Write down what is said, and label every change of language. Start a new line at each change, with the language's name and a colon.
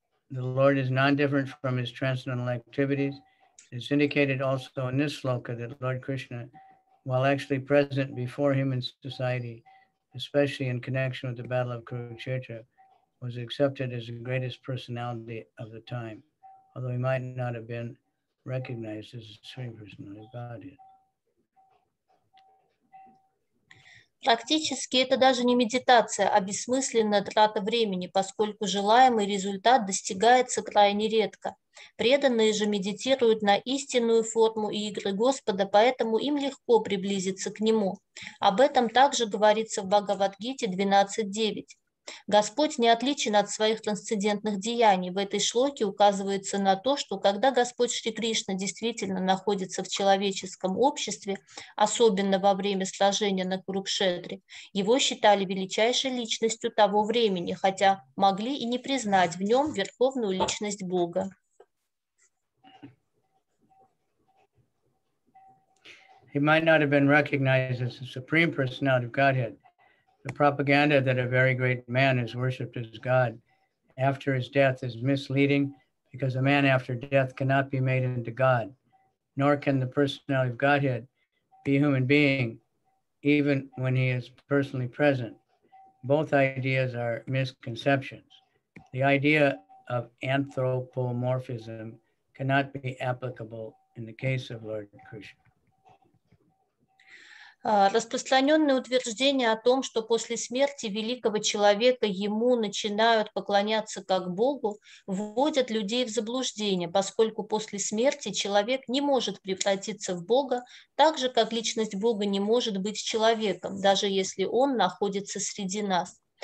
English: The Lord is non-different from his transcendental activities. It's indicated also in this sloka that Lord Krishna, while actually present before human society, especially in connection with the Battle of Kurukshetra, was accepted as the greatest personality of the time, although he might not have been recognized as a Supreme Personality of Godhead.
Russian: Практически это даже не медитация, а бессмысленная трата времени, поскольку желаемый результат достигается крайне редко. Преданные же медитируют на истинную форму и игры Господа, поэтому им легко приблизиться к Нему. Об этом также говорится в Бхагавад-гите 12.9. Господь не отличен от своих трансцендентных деяний. В этой шлоке указывается на то, что когда Господь Шри Кришна действительно находится в человеческом обществе, особенно во время сражения на Курукшетре, его считали величайшей личностью того времени, хотя могли и не признать в нем верховную личность Бога.
English: Yeah, he might not have been recognized as the supreme personality of Godhead. The propaganda that a very great man is worshipped as God after his death is misleading, because a man after death cannot be made into God, nor can the personality of Godhead be a human being, even when he is personally present. Both ideas are misconceptions. The idea of anthropomorphism cannot be applicable in the case of Lord Krishna.
Russian: Распространенное утверждение о том, что после смерти великого человека ему начинают поклоняться как Богу, вводят людей в заблуждение, поскольку после смерти человек не может превратиться в Бога, так же, как личность Бога не может быть человеком, даже если он находится среди нас.